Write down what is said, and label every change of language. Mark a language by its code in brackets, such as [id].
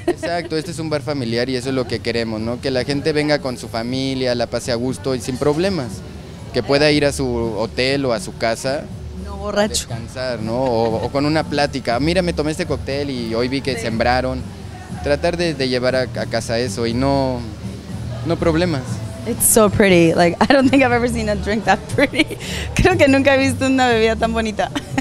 [es] Exacto, este es un bar familiar y eso es lo que queremos, ¿no? Que la gente venga con su familia, la pase a gusto y sin problemas. Que pueda ir a su hotel o a su casa. No borracho. Descansar, ¿no? O con una plática. Mira, me tomé este cóctel y hoy vi que sembraron. Tratar de llevar a casa eso y no problemas. [en] It's so pretty. Like, I don't think I've ever seen a drink that pretty. [es] Creo que nunca he visto una bebida tan bonita.